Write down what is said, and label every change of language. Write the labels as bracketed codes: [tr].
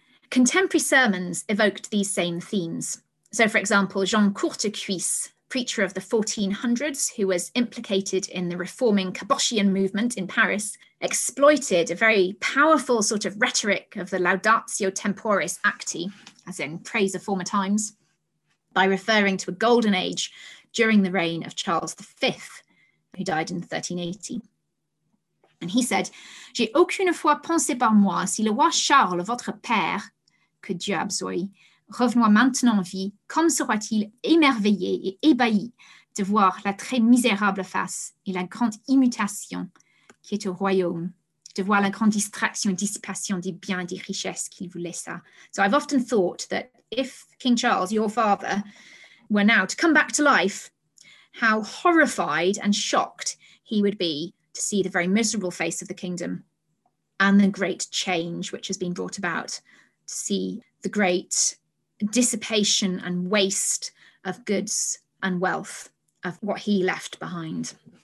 [en] Contemporary sermons evoked these same themes. So, for example, Jean Courtecuisse, preacher of the 1400s, who was implicated in the reforming Cabochian movement in Paris, exploited a very powerful sort of rhetoric of the laudatio temporis acti, as in praise of former times, by referring to a golden age during the reign of Charles V, who died in 1380. [fr] And he said, j'ai aucune foi pensée par moi si le roi Charles, votre père, que Dieu absoie, revenoit maintenant en vie, comme sera-t-il émerveillé et ébahi de voir la très misérable face et la grande immutation qui est au royaume, de voir la grande distraction et dissipation des biens et des richesses qu'il vous laissa. [en] So I've often thought that if King Charles, your father, were now to come back to life, how horrified and shocked he would be to see the very miserable face of the kingdom and the great change which has been brought about, to see the great dissipation and waste of goods and wealth of what he left behind.